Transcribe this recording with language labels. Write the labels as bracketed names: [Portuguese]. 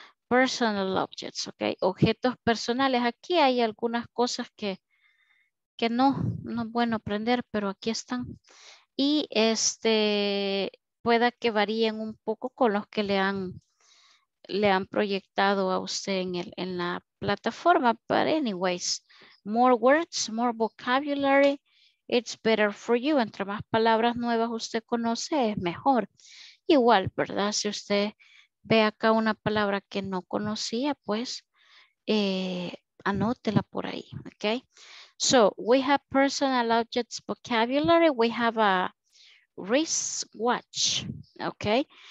[English] Personal objects. Ok. [Spanish] Objetos personales. Aquí hay algunas cosas que no es bueno aprender, pero aquí están. Y este pueda que varíen un poco con los que le han proyectado a usted en la plataforma. [English] But anyways, more words, more vocabulary, it's better for you. [Spanish] Entre más palabras nuevas usted conoce, es mejor. Igual, ¿verdad? Si usted ve acá una palabra que no conocía, pues anótela por ahí. [English] Okay. So we have personal objects vocabulary. We have a wristwatch. Okay.